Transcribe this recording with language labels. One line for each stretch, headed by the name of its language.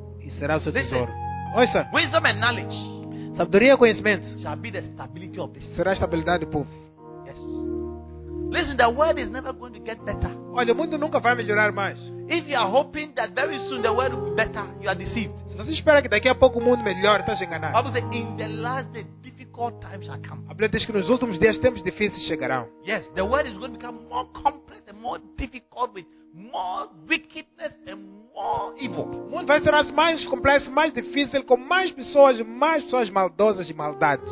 Portuguese: E será o seu tesouro. Ouça.
English: Wisdom and knowledge.
Portuguese: Sabedoria e conhecimento.
English: Shall be the stability of this.
Portuguese: Será a estabilidade do povo.
English: Yes. Listen, the world is never going to get better.
Portuguese: Olha, o mundo nunca vai melhorar mais.
English: If you are hoping that very soon the world will be better, you are deceived.
Portuguese: Se você espera que daqui a pouco o mundo melhore, estás enganado.
English: Bible says, in the last days, difficult times are coming.
Portuguese: A Bíblia diz que nos últimos dias tempos difíceis chegarão.
English: Yes, the world is going to become more complex and more difficult with more wickedness and more evil.
Portuguese: O mundo vai tornar-se mais complexo, mais difícil, com mais pessoas maldosas e maldades.